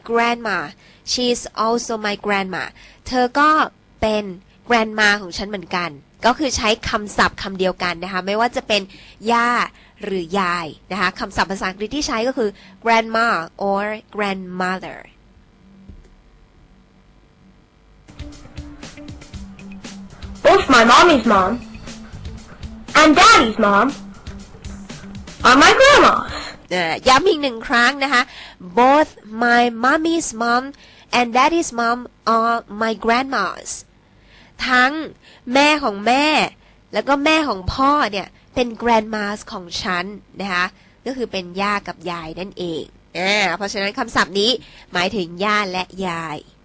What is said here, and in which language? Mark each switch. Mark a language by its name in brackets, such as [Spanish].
[English] She is also my grandma She is also my grandma [Thai] เธอก็เป็น grandma ของฉันเหมือนกันก็คือใช้คำศัพท์คำเดียวกันนะคะไม่ว่าจะเป็นย่าหรือยายนะคะคำศัพท์ภาษาอังกฤษที่ใช้ก็คือ grandma or grandmother [English] Both my mommy's mom and daddy's mom are my grandmas. [Thai] ย้ำอีกหนึ่งครั้งนะคะ [English] Both my mommy's mom and daddy's mom are my grandmas. [Thai] ทั้งแม่ของแม่แล้วก็แม่ของพ่อเนี่ยเป็น grandmas ของฉันนะคะก็คือเป็นย่ากับยายนั่นเองเพราะฉะนั้นคำศัพท์นี้หมายถึงย่าและยาย